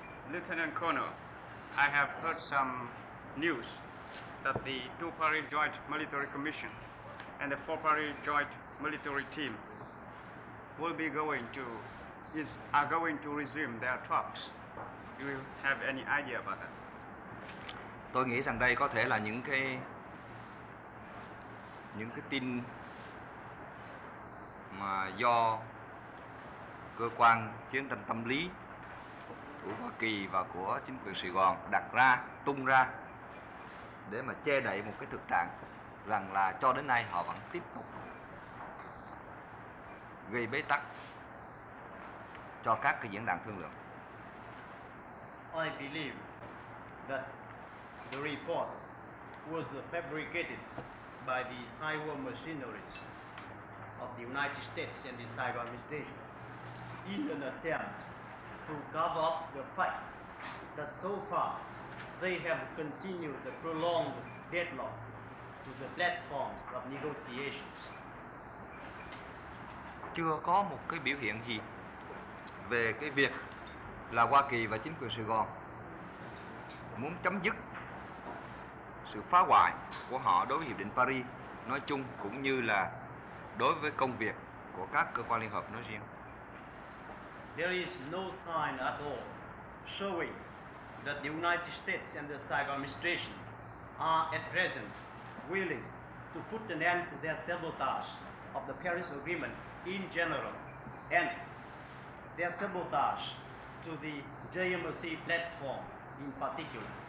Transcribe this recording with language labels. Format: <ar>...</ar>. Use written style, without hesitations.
<en>Lieutenant Colonel, I have heard some news that the two-party joint military commission and the four-party joint military team are going to resume their talks. Do you have any idea about that?</en> <vi>Tôi nghĩ rằng đây có thể là những cái tin mà do cơ quan chiến tranh tâm lý của Hoa Kỳ và của chính quyền Sài Gòn đặt ra, tung ra để mà che đậy một cái thực trạng rằng là cho đến nay họ vẫn tiếp tục gây bế tắc cho các cái diễn đàn thương lượng.</vi> <en>I believe that the report was fabricated by the cyber machineries of the United States and the cyber administration in an attempt to cover up the fact that so far they have continued the prolonged deadlock to the platforms of negotiations.</en> <vi>Chưa có một cái biểu hiện gì về cái việc là Hoa Kỳ và chính quyền Sài Gòn muốn chấm dứt sự phá hoại của họ đối với Hiệp định Paris nói chung cũng như là đối với công việc của các cơ quan liên hợp nói riêng.</vi> <en>There is no sign at all showing that the United States and the Saigon administration are at present willing to put an end to their sabotage of the Paris Agreement in general and their sabotage to the JMRC platform in particular.</en>